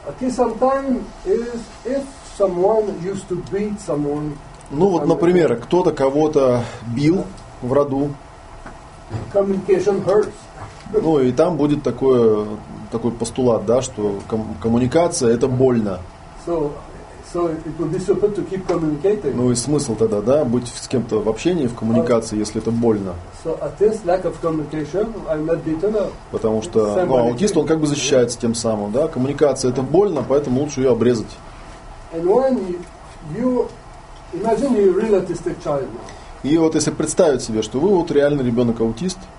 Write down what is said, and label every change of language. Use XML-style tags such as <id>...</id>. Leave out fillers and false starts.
<ru>Ну вот, например, кто-то кого-то бил в роду.</ru> <en>Communication hurts.</en> <ru>Ну и там будет такой постулат, да, что коммуникация это больно.</ru> <en>So it would be stupid to keep communicating.</en> <ru>Ну и смысл тогда, да, быть с кем-то в общении, в коммуникации, если это больно.</ru> <en>So at this lack of communication, I'm not beaten up.</en> <ru>Потому что аутист, он как бы защищается тем самым, да, коммуникация это больно, поэтому лучше ее обрезать.</ru> <en>And when you imagine you're a real autistic child.</en> <ru>И вот если представить себе, что вы вот реально ребенок аутист.</ru>